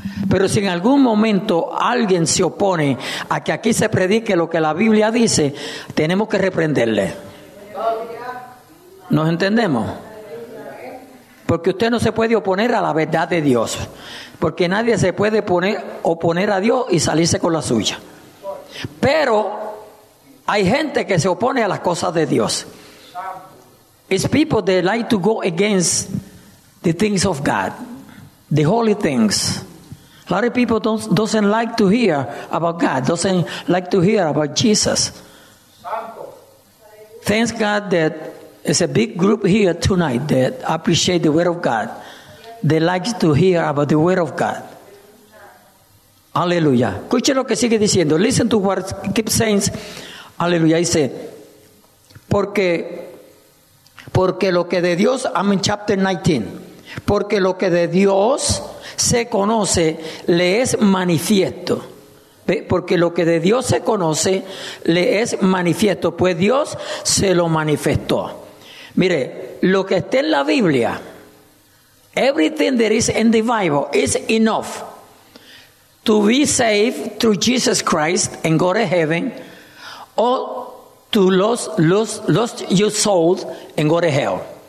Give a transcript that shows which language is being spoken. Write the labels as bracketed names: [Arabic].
[Spanish] Pero si en algún momento alguien se opone a que aquí se predique lo que la Biblia dice, tenemos que reprenderle. ¿Nos entendemos? Porque usted no se puede oponer a la verdad de Dios. Porque nadie se puede oponer a Dios y salirse con la suya. Pero hay gente que se opone a las cosas de Dios. [English] It's people that like to go against the things of God, the holy things. A lot of people doesn't like to hear about God, doesn't like to hear about Jesus. Thank God that it's a big group here tonight that appreciate the word of God. They like to hear about the word of God. [Spanish] Hallelujah. Escuche lo que sigue diciendo. [English] Listen to what keeps saying. [Spanish] Hallelujah. Dice, porque lo que de Dios, [English] I'm in chapter 19. [Spanish] Porque lo que de Dios se conoce le es manifiesto. ¿Ve? Porque lo que de Dios se conoce le es manifiesto. Pues Dios se lo manifestó. Mire, lo que está en la Biblia, [English] everything that is in the Bible is enough to be saved through Jesus Christ and go to heaven, or to lose your soul and go to hell.